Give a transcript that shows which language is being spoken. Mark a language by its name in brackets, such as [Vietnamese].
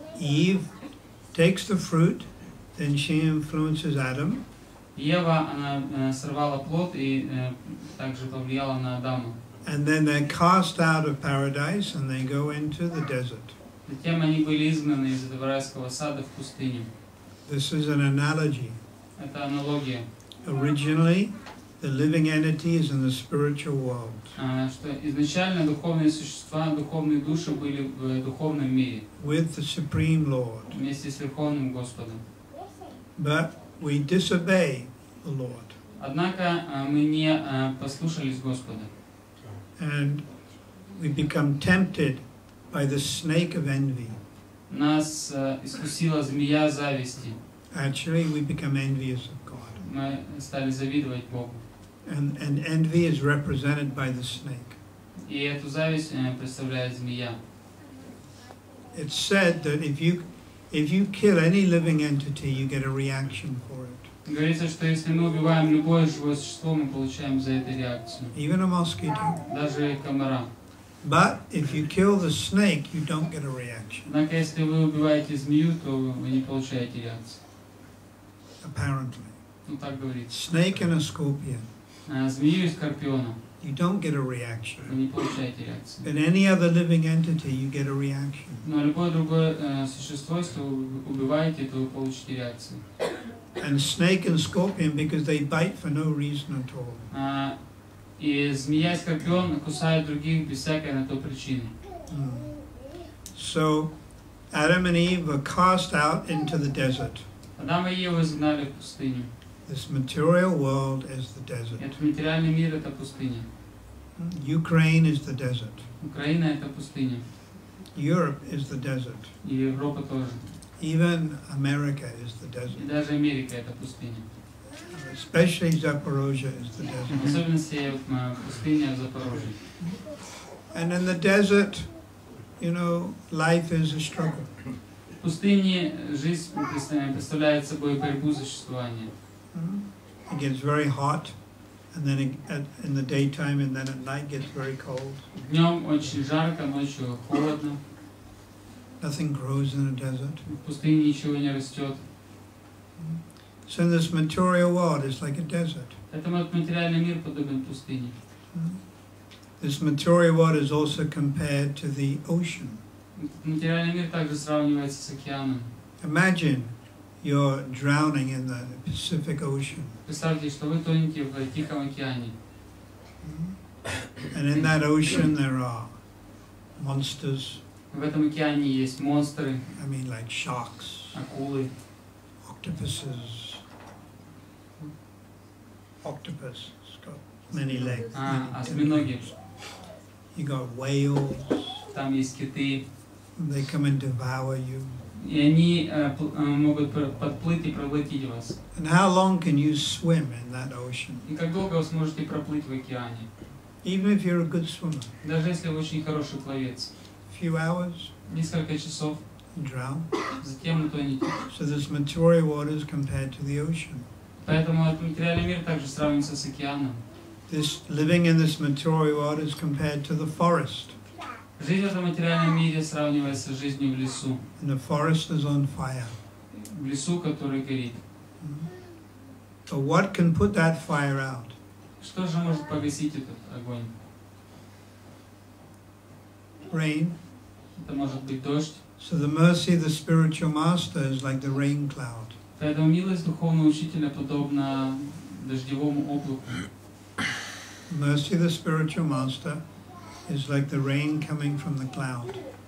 [English] Eve takes the fruit, then she influences Adam. [Russian] Ева она сорвала плод и также повлияла на Адама. [English] And then they're cast out of paradise and they go into the desert. [Russian] Затем они были изгнаны из этого райского сада в пустыню. [English] This is an analogy. [Russian] Это аналогия. [English] Originally, the living entity is in the spiritual world. [Russian] Что изначально духовные существа, духовные души были в духовном мире. [English] With the Supreme Lord. [Russian] Вместе с Верховным Господом. [English] But we disobey the Lord. [Russian] Однако мы не послушались Господа. [English] And we become tempted by the snake of envy. [Russian] Нас искусила змея зависти. [English] Actually, we become envious of God. [Russian] Мы стали завидовать Богу. [English] And envy is represented by the snake. [Russian] И эту зависть представляет змея. [English] It's said that if you kill any living entity, you get a reaction for it. [Russian] Говорится, что если мы убиваем любое живое существо, мы получаем за это реакцию. [English] Even a mosquito. [Russian] Даже комара. [English] But if you kill the snake, you don't get a reaction. [Russian] Однако, если вы убиваете змею, то вы не получаете реакцию. [English] Apparently. [Russian] Ну, так говорится. [English] Snake and a scorpion. [Russian] Змею и скорпиона. [English] You don't get a reaction. [Russian] Вы не получаете реакцию. [English] But any other living entity, you get a reaction. [Russian] Но любое другое существо, если вы убиваете, то вы получите реакцию. [English] And snake and scorpion because they bite for no reason at all. [Russian] И змея и скорпион кусают других без всякой на то причины. [English] So Adam and Eve were cast out into the desert. [Russian] Адам и Ева изгнали в пустыню. [English] This material world is the desert. [Russian] Этот материальный мир это пустыня. [English] Ukraine is the desert. [Russian] Украина это пустыня. [English] Europe is the desert. [Russian] И Европа тоже. [English] Even America is the desert. [Russian] Даже Америка это пустыня. [English] Especially Запорожье is the desert. [Russian] Особенно сия пустыня Запорожье. [English] And in the desert, you know, life is a struggle. [Russian] В пустыне жизнь представляет собой борьбу за существование. [English] It gets very hot, and then in the daytime, and then at night gets very cold. [Russian] Днем очень жарко, ночью холодно. [English] Nothing grows in a desert. [Russian] В пустыне ничего не растет. [English] So in this material world is like a desert. [Russian] Поэтому этот материальный мир подобен пустыне. [English] This material world is also compared to the ocean. [Russian] Материальный мир также сравнивается с океаном. [English] Imagine you're drowning in the Pacific Ocean. [Russian] Представьте, что вы тонете в Тихом океане. [English] And in that ocean there are monsters. [Russian] В этом океане есть монстры. [English] I mean like sharks. [Russian] Акулы. [English] Octopuses. Octopus. It's got many legs. [Russian] Осьминоги. [English] You got whales. [Russian] Там есть киты. [English] They come and devour you. [Russian] И они могут подплыть и проглотить вас. [English] And how long can you swim in that ocean? [Russian] И как долго вы сможете проплыть в океане? [English] Even if you're a good swimmer. [Russian] Даже если вы очень хороший пловец. [English] Few hours. [Russian] Несколько часов. [English] Drown. [Russian] Затем утоните. [English] So this material world is compared to the ocean. [Russian] Поэтому этот материальный мир также сравнивается с океаном. [English] This living in this material world is compared to the forest. [Russian] Жизнь в этом материальном мире сравнивается с жизнью в лесу. [English] And the forest is on fire. [Russian] В лесу, который горит. [English] So what can put that fire out? [Russian] Что же может погасить этот огонь? [English] Rain. [Russian] Это может быть дождь. [English] So the mercy of the spiritual master is like the rain cloud. [Russian] Поэтому милость духовного учителя подобна дождевому облаку. [English] Mercy of the spiritual master is like the rain coming from the cloud.